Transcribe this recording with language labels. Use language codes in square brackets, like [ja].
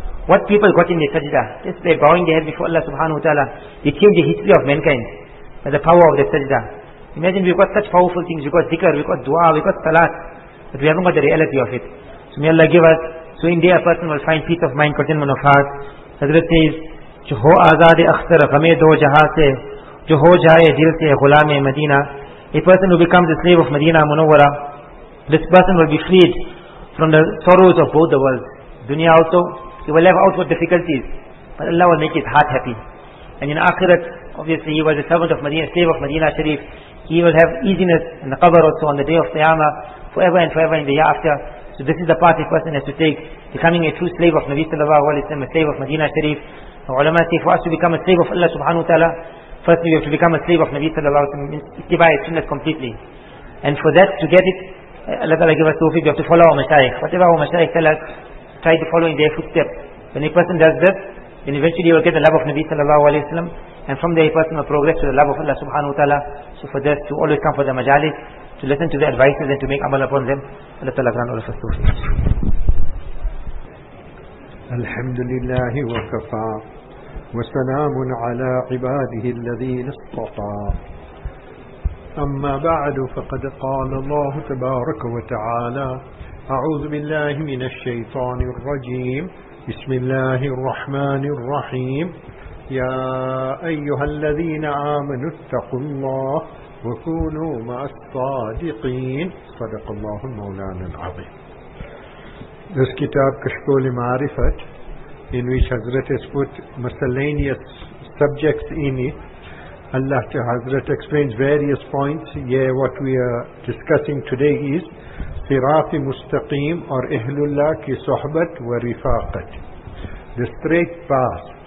[en] What people got in their sajda? Just they bowing their head before Allah subhanahu wa ta'ala. They changed the history of mankind by the power of the sajda. Imagine we've got such powerful things. We've got dhikr, we've got dua, we've got salat. But we haven't got the reality of it. So may Allah give us. So in there a person will find peace of mind, contentment of heart. Hazrat says, [ur] جو ہو آزاد اختر غمے دو جہاں سے جو ہو جائے دل سے غلام مدینہ. [en] A person who becomes a slave of Medina Munawwara, this person will be freed from the sorrows of both the worlds. Dunya also, he will have outward difficulties, but Allah will make his heart happy. And in Akhirat, obviously he was a servant of Medina, slave of Medina Sharif, he will have easiness in the Qabr also on the day of Qiyamah, forever and forever in the year after. So this is the path a person has to take, becoming a true slave of Nabi sallallahu alayhi wa sallam, a slave of Medina Sharif. The ulama say, for us to become a slave of Allah subhanahu wa ta'ala, firstly we have to become a slave of Nabi sallallahu alayhi wa sallam, means itibai sunnah completely. And for that, to get it, Allah ta'ala give us tawfiq, we have to follow our mashayikh. Whatever our mashayikh tell us, try to follow in their footsteps. When a person does this, then eventually he will get the love of Nabi sallallahu alayhi wa sallam, and from there a person will progress to the love of Allah subhanahu wa ta'ala. So for this, to always come for the majalis, to listen to the advices and to make amal upon them, Allah ta'ala grant all of us tawfiq. [ar] الحمد لله وكفى وسلام على عباده الذين اصطفى أما بعد فقد قال الله تبارك وتعالى أعوذ بالله من الشيطان الرجيم بسم الله الرحمن الرحيم يا أيها الذين آمنوا اتقوا الله وكونوا مع الصادقين صدق الله مولانا العظيم. [en] This kitab Kashful Ma'rifat, in which Hazrat has put miscellaneous subjects in it, Allah to Hazrat explains various points. Yeah, what we are discussing today is Sirati Mustaqim or [ur] Ihlullah ki Sohbat wa Rifaqat, [en] the straight path.